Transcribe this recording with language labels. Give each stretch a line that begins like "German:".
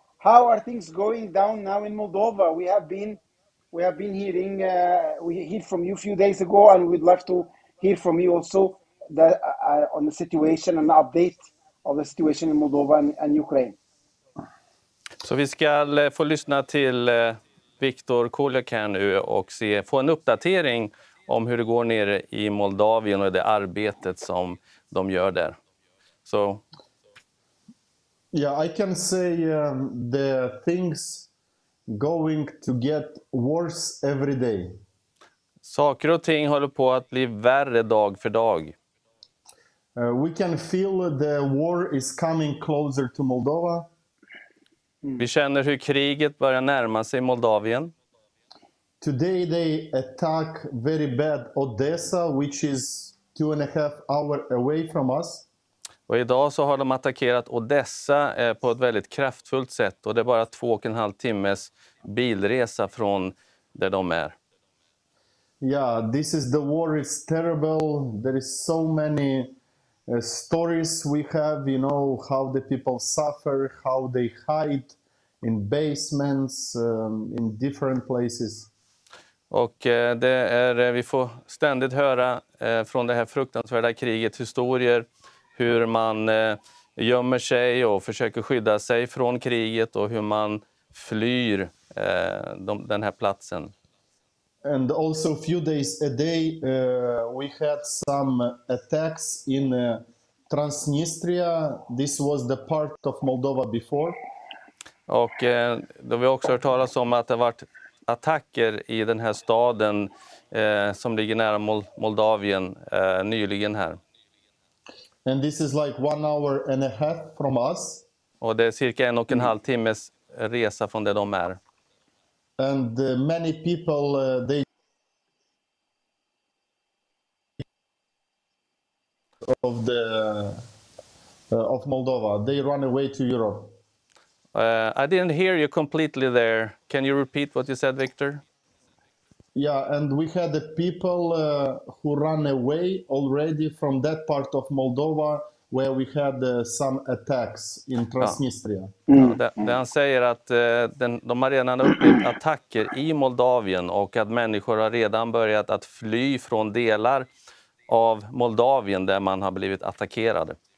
English: How are things going down now in Moldova? We have been hearing, we heard from you a few days ago, and we'd love to hear from you also on the situation and the update of the situation in Moldova and Ukraine.
Swedish: Så vi ska få lyssna till Viktor Koljak nu och få en uppdatering om hur det går nere i Moldavien och det arbetet som de gör där. So.
English: Yeah, I can say the things going to get worse every day.
Swedish: Saker och ting håller på att bli värre dag för dag.
English: We can feel the war is coming closer to Moldova.
Swedish: Vi känner hur kriget börjar närma sig Moldavien.
English: Today they attack very bad Odessa, which is 2.5 hours away from us.
Swedish: Och idag så har de attackerat Odessa på ett väldigt kraftfullt sätt och det är bara 2,5 timmes bilresa från där de är.
English: Yeah, this is the war is terrible. There is so many stories we have, you know, how the people suffer, how they hide in basements, in different places.
Swedish: Och det är, vi får ständigt höra från det här fruktansvärda kriget historier hur man gömmer sig och försöker skydda sig från kriget och hur man flyr den här platsen.
English: And also a few days a day we had some attacks in Transnistria. This was the part of Moldova before.
Swedish: Och då vi också hört talas om att det varit attacker i den här staden som ligger nära Moldavien nyligen här.
English: And this is like 1.5 hours from us.
Swedish: Och det är cirka 1.5 timmes resa från där de är.
English: And many people they of the of Moldova, they run away to Europe. I didn't hear you completely there. Can you repeat what you said, Victor? Yeah, and we had the people who ran away already from that part of Moldova where we had some attacks in Transnistria.
Swedish: Det han säger att de har redan upplevt attacker i Moldavien och att människor har redan börjat att fly från delar av Moldavien där man har blivit attackerade.